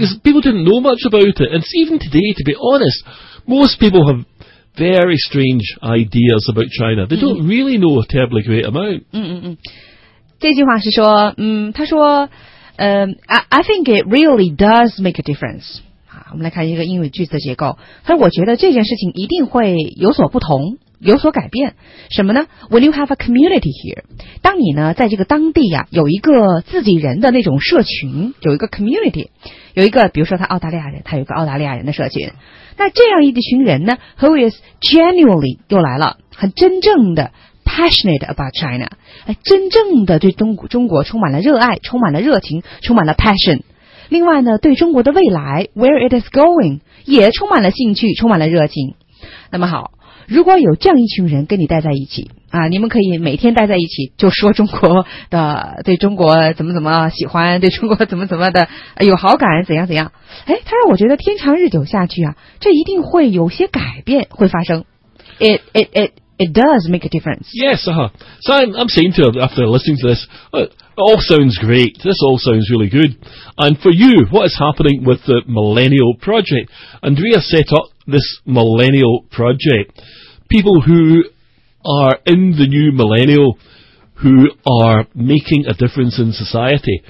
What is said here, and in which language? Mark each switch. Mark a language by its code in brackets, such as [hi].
[en] Because people didn't know much about it. And even today, to be honest, most people have very strange ideas about China. They don't really know a terribly great amount. [zh] 这句话是说，他说， [en] I think it really does make a difference. [zh] 我们来看一个英语句子的结构。他说，我觉得这件事情一定会有所不同，有所改变。什么呢？ [en] When you have a community here, [zh] 当你呢在这个当地啊有一个自己人的那种社群，有一个 community, 有一个比如说他澳大利亚人，他有一个澳大利亚人的社群。那这样一群人呢， [en] who is genuinely, [zh] 又来了，很真正的 [en] passionate about China, [zh] 真正的对中国充满了热爱，充满了热情，充满了 passion。另外呢，对中国的未来 [en] where it is going [zh] 也充满了兴趣，充满了热情。那么好，如果有这样一群人跟你待在一起啊，你们可以每天待在一起，就说中国的对中国怎么怎么喜欢，对中国怎么怎么的有好感，怎样怎样。哎，他让我觉得天长日久下去啊，这一定会有些改变会发生。 [en] It does make a difference. Yes, uh-huh. So I'm saying to her after listening to this, it all sounds great. This all sounds really good. And for you, what is happening with the Millennial Project? Andrea set up this Millennial Project. People who are in the new millennial who are making a difference in society.